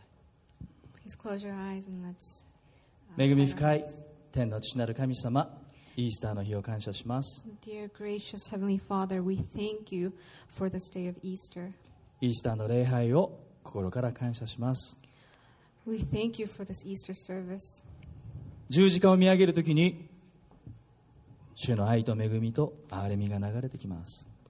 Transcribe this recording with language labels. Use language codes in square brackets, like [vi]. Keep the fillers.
[en] い。Please close y o [ja] u 恵み深い天の父なる神様、イースターの日を感謝します。 [en] Dear gracious Heavenly Father, we thank you for this day of Easter. [ja] イースターの礼拝を心から感謝します。 [en] We thank you for this Easter service. [ja] 十字架を見上げるときに主の愛と恵みと憐れみが流れてきます